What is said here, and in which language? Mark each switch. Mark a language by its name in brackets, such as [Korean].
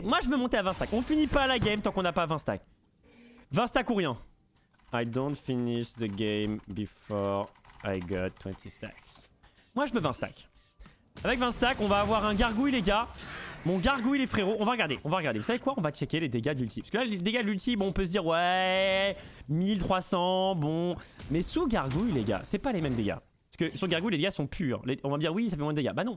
[French] Moi je veux monter à 20 stacks. On finit pas la game tant qu'on n'a pas 20 stacks. 20 stacks ou rien. [English] I don't finish the game before I got 20 stacks. [French] Moi je veux 20 stacks. Avec 20 stacks, on va avoir un gargouille les gars. Mon gargouille les frérots, on va regarder, on va regarder. Vous savez quoi? On va checker les dégâts de l'ulti. Parce que là, les dégâts de l'ulti, bon, on peut se dire ouais, 1300, bon. Mais sous gargouille les gars, c'est pas les mêmes dégâts. Parce que sur gargouille, les dégâts sont purs. On va me dire oui, ça fait moins de dégâts. Bah non.